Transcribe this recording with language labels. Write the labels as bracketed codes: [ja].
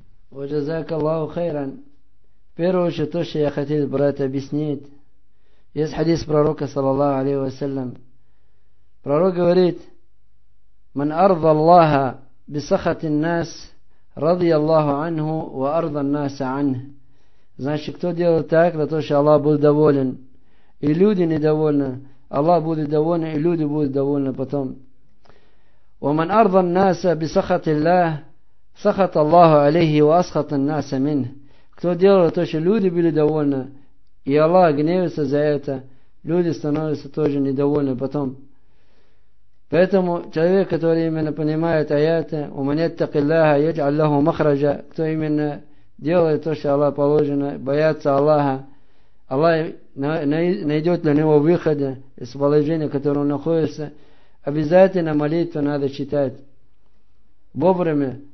[ar] Ва джазакаллаху хайран. [ru] В первую очередь, то, что я хотел, брат, объяснить. Есть хадис пророка, саллаллаху алейхи ва саллям. Пророк говорит, [ar] «Ман арда Аллаха бисахатин нас». رضي الله عنه وأرضى الناس عنه. [ru] Значит, кто делает так, для того, чтобы Аллах был доволен. И люди недовольны. Аллах будет доволен, и люди будут довольны потом. [ar] ومن أرضى الناس بسخط الله سخط الله عليه وأسخط الناس منه. [ru] Кто делает для того, чтобы люди были довольны. И Аллах гневится за это. Люди становятся тоже недовольны потом. Поэтому человек, который именно понимает аяты, [ar] уманеттаки Аллаха, яджаль лаху махража, [ru] кто именно делает то, что Аллах положено, боятся Аллаха, Аллах найдет для него выхода из положения, в котором он находится, обязательно молитву надо читать. Вовремя.